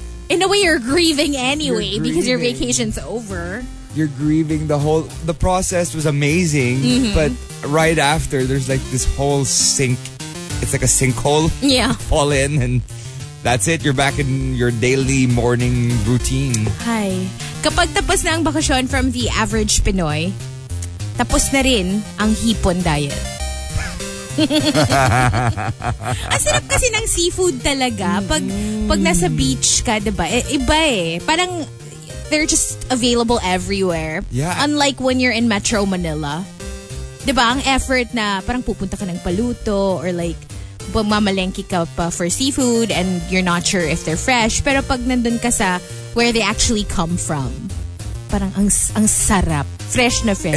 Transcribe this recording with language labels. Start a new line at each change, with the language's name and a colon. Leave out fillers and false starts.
English: In a way, you're grieving anyway because your vacation's over. You're grieving the process was amazing, but right after there's like this whole sink, it's like a sinkhole. Yeah. Fall in and that's it. You're back in your daily morning routine. Hi.
Filipino: Kapag tapos na ang bakasyon
English: from the average Pinoy,
Filipino: tapos na rin ang hipon diet. Ang sarap kasi ng seafood talaga pag nasa beach ka, 'di ba? Iba eh.
English: Parang they're just available everywhere. Yeah. Unlike when you're in Metro Manila.
Filipino: Diba? Ang effort na parang pupunta ka ng paluto or like bumamalengki ka pa for seafood
English: and you're not sure if they're fresh.
Filipino: Pero pag nandun ka sa
English: where they actually come from,
Filipino: parang ang sarap. Fresh na fresh.